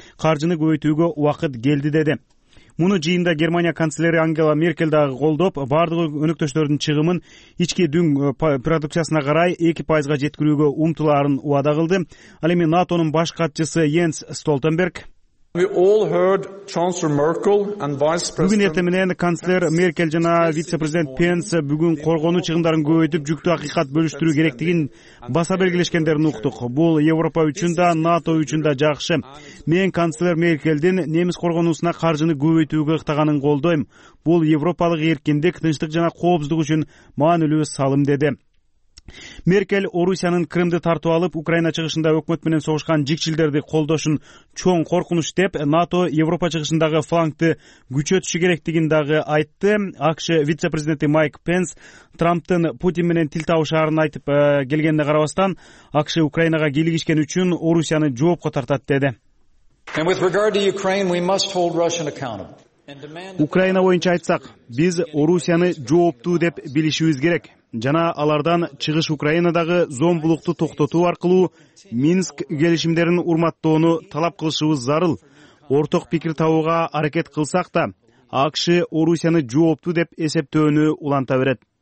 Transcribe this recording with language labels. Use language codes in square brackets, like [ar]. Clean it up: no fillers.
[ky] Каржыны көбөйтүүгө убакыт келди деди. Муну жыйында Германия канцлери Ангела Меркель дагы колдоп, бардык өнөктөштөрдүн чыгымын ички дүң продукциясына карай 2% жеткирүүгө умтулаарын убада кылды. Ал эми НАТОнун баш катчысы Йенс Столтенберг: [en] We all heard Chancellor Merkel and Vice President. [ky] Бүгүн эртең менен канцлер Меркель жана вице-президент Пенс бүгүн коргонуу чыгымдарын көбөйтүп, жүктү акыйкат бөлүштүрүү керектигин баса белгилешкендерин уктук. Бул Европа үчүн да, НАТО үчүн да жакшы. Мен канцлер Меркелдин немис коргонуусуна каржыны көбөйтүүгө ыктаганын колдойм. Бул европалык эркиндик, тынчтык жана коопсуздук үчүн маанилүү салым деди. Меркель Орусиянын Крымды тартып алып, Украина чыгышында өкмөт менен согушкан жикчилдерди колдошун чоң коркунуч деп, НАТО Европа чыгышындагы флангты күчөтүшү керектигин дагы айтты. АКШ вице-президенти Майк Пенс Трамптын Путин менен тил табышаарын айтып келгенине карабастан, АКШ Украинага кийлигишкени үчүн Орусияны жоопко тартат деди. [en] And with regard to Ukraine, we must hold Russian accountable. [ky] Украина боюнча айтсак, биз Орусияны жооптуу деп билишибиз керек жана алардан чыгыш Украинадагы зомбулукту токтотуу аркылуу Минск келишимдерин урматтоону талап кылышыбыз зарыл. Ортак пикир табууга аракет кылсак да, АКШ Орусияны жооптуу деп эсептөөнү уланта берет.